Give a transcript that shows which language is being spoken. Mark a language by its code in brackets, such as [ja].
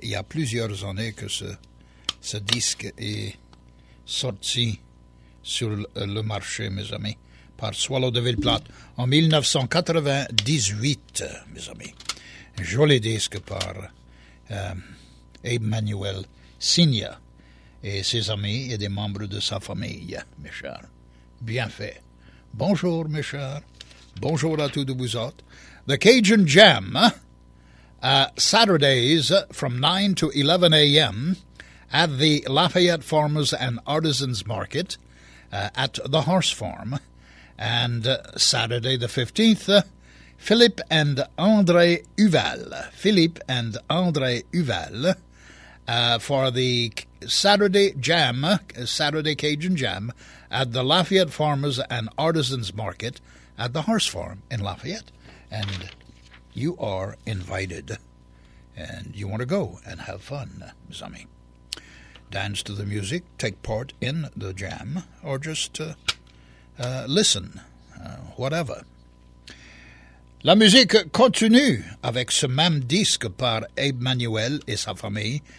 [fr] Il y a plusieurs années que ce disque est sorti sur le marché, mes amis, par Swallow de Villeplate, en 1998, mes amis. Joli disque par Abe Manuel Sr. et ses amis et des membres de sa famille, mes chers. Bien fait. Bonjour, mes chers. Bonjour à tous de vous autres. [en] The Cajun Jam, Saturdays from 9 to 11 a.m. at the Lafayette Farmers and Artisans Market at the Horse Farm. And Saturday the 15th, Philippe and André Uval. Philippe and André Uval for the Saturday Jam, Saturday Cajun Jam, at the Lafayette Farmers and Artisans Market at the Horse Farm in Lafayette. And you are invited. And you want to go and have fun, [fr] mes amis. [en] Dance to the music, take part in the jam, or just listen, whatever. [fr] La musique continue avec ce même disque par Abe Manuel et sa famille.